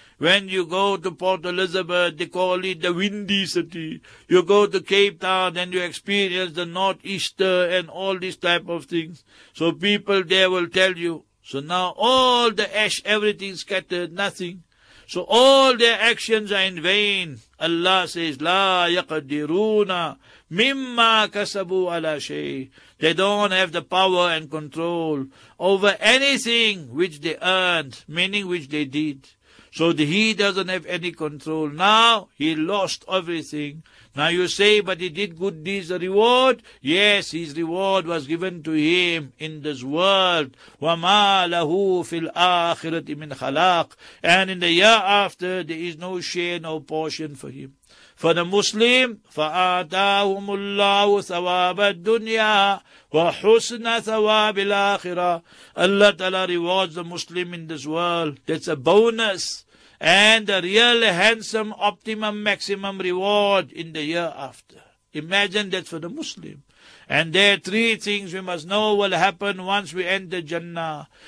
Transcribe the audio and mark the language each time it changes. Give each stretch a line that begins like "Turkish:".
English: When you go to Port Elizabeth, they call it the windy city. You go to Cape Town and you experience the northeaster and all these type of things. So people there will tell you. So now all the ash, everything scattered, nothing. So all their actions are in vain. Allah says,
Arabic: لا يقدرون مما كسبوا على شيء.
English: They don't have the power and control over anything which they earned, meaning which they did. So he doesn't have any control. Now he lost everything. Now you say, but he did good deeds, a reward? Yes, his reward was given to him in this world.
Arabic: وَمَا لَهُ فِي الْآخِرَةِ مِنْ خَلَاقٍ.
English: And in the year after, there is no share, no portion for him. For the Muslim,
Arabic: فَآتَاهُمُ اللَّهُ ثَوَابَ الدُّنْيَا وَحُسْنَ ثَوَابِ الْآخِرَةِ.
English: Allah Ta'ala rewards the Muslim in this world. That's a bonus. And a real handsome, optimum, maximum reward in the year after. Imagine that for the Muslim. And there are three things we must know will happen once we enter Jannah.